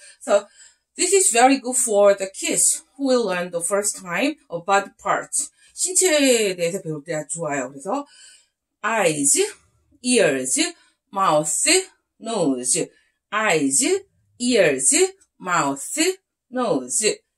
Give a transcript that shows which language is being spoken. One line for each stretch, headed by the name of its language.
English: So, this is very good for the kids who will learn the first time about parts.
Korean: 신체에 대해서 배울 때 좋아요. 그래서,
English: eyes, ears, mouth, nose. Eyes, ears, mouth, nose.